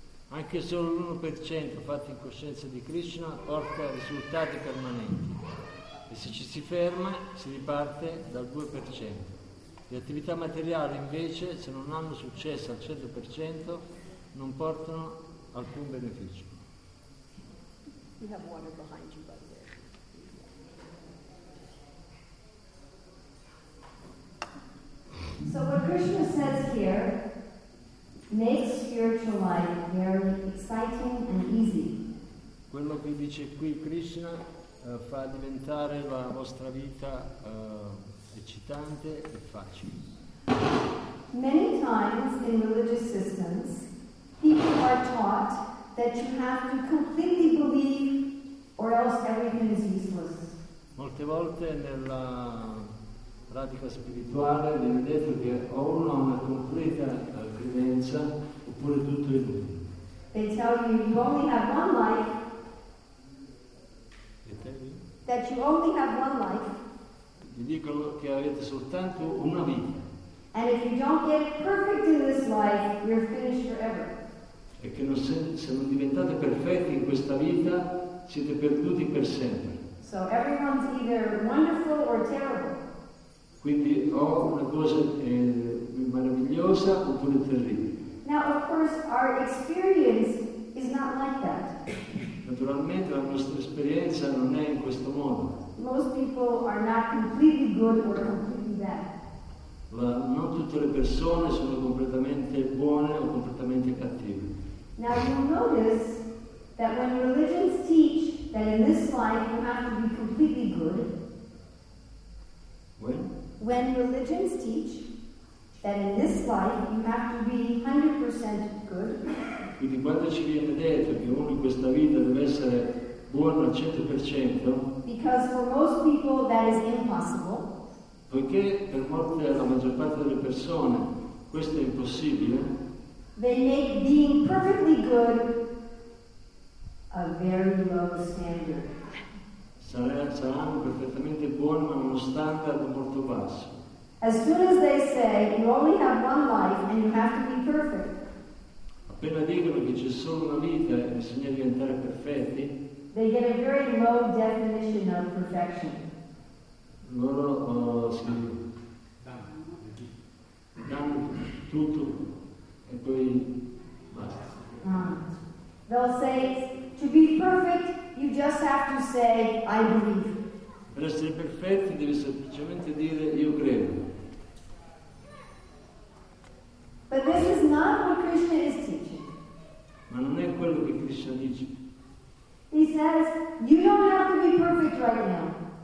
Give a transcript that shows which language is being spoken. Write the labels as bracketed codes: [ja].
[it] Anche solo l'1% fatto in coscienza di Krishna porta risultati permanenti. E se ci si ferma, si riparte dal 2%. Le attività materiali, invece, se non hanno successo al 100%, non portano alcun beneficio. [en] You have water behind you, by the way. So what Krishna says here makes spiritual life very exciting and easy. [it] Quello che dice qui Krishna fa diventare la vostra vita eccitante e facile. [en] Many times in religious systems, people are taught that you have to completely believe or else everything is useless. [it] Molte volte nella pratica spirituale viene detto che o uno ha una completa credenza oppure tutto è inutile. [en] They tell you you only have one life. [it] E te? [en] That you only have one life. [it] Gli dicono che avete soltanto una vita. [en] And if you don't get perfect in this life, you're finished forever. [it] E che non se non diventate perfetti in questa vita, siete perduti per sempre. [en] So everyone's either wonderful or terrible. [it] Quindi o una cosa è meravigliosa oppure terribile. [en] Now, of course, our experience is not like that. [it] Naturalmente la nostra esperienza non è in questo modo. [en] Most people are not completely good or completely bad. [it] Non tutte le persone sono completamente buone o completamente cattive. [en] Now you notice that when religions teach that in this life you have to be completely good. When religions teach that in this life you have to be 100% good. [it] Quindi quando ci viene detto che uno in questa vita deve essere buono al 100%. [en] Because for most people that is impossible. [it] Poiché per molte, la maggior parte delle persone, questo è impossibile. [en] They make being perfectly good a very low standard. [it] Saranno perfettamente buoni ma uno standard molto basso. [en] As soon as they say you only have one life and you have to be perfect. [it] Appena dicono che c'è solo una vita e bisogna diventare perfetti. [en] They get a very low definition of perfection. [it] Loro danno tutto e poi basta. [en] They'll say, to be perfect, you just have to say, I believe. [it] Per essere perfetti devi semplicemente dire, io credo. [en] But this is not what Krishna is teaching. [it] Ma non è quello che Krishna dice. [en] He says, you don't have to be perfect right now.